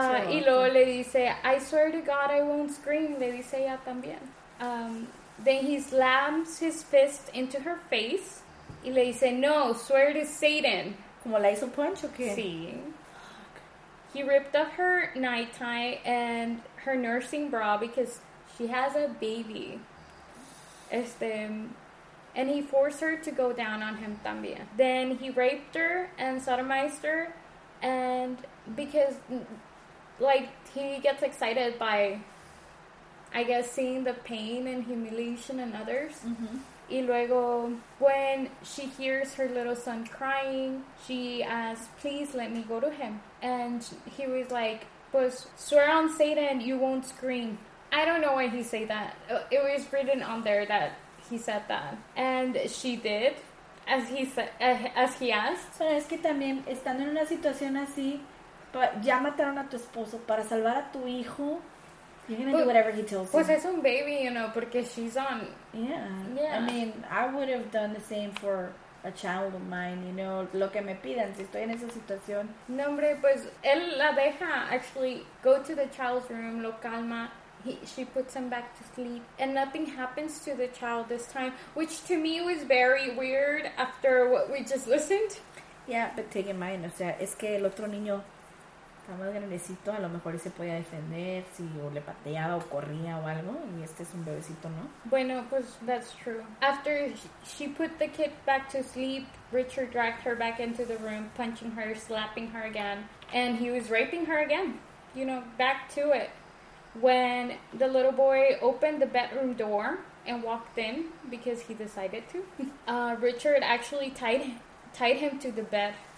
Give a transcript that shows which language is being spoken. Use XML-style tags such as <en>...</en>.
<es>y luego le dice,</es> <en>I swear to God I won't scream,</en> <es>le dice ella también.</es> <en>Then he slams his fist into her face.</en> <es>Y le dice, no,</es> <en>swear to Satan.</en> <es>¿Como la hizo punch o qué? Sí.</es> <en>He ripped off her night tie and her nursing bra because she has a baby. And he forced her to go down on him también. Then he raped her and sodomized her. And because, like, he gets excited by, I guess, seeing the pain and humiliation in others. Mm-hmm.</en> <es>Y luego,</es> <en>when she hears her little son crying, she asks, please let me go to him. And he was like,</en> <es>pues,</es> <en>swear on Satan, you won't scream. I don't know why he said that. It was written on there that he said that. And she did, as he asked.</en> <es>Pero es que también, estando en una situación así, ya mataron a tu esposo para salvar a tu hijo.</es> <en>You're gonna do whatever he tells you.</en> <es>Pues es un</es> <en>baby, you know,</en> <es>porque</es> <en>she's on. Yeah. I mean, I would have done the same for a child of mine, you know,</en> <es>lo que me pidan, si estoy en esa situación. No, hombre, pues él la deja</es> <en>actually go to the child's room,</en> <es>lo calma.</es> <en>She puts him back to sleep, and nothing happens to the child this time, which to me was very weird after what we just listened. Yeah, but take in mind,</en> <es>o sea, es que el otro niño. Está más grandecito, a lo mejor se podía defender, si o le pateaba o corría o algo, y este es un bebecito, ¿no? Bueno, pues,</es> <en>that's true. After she put the kid back to sleep, Richard dragged her back into the room, punching her, slapping her again, and he was raping her again, you know, back to it. When the little boy opened the bedroom door and walked in, because he decided to, Richard actually tied him to the bed.</en>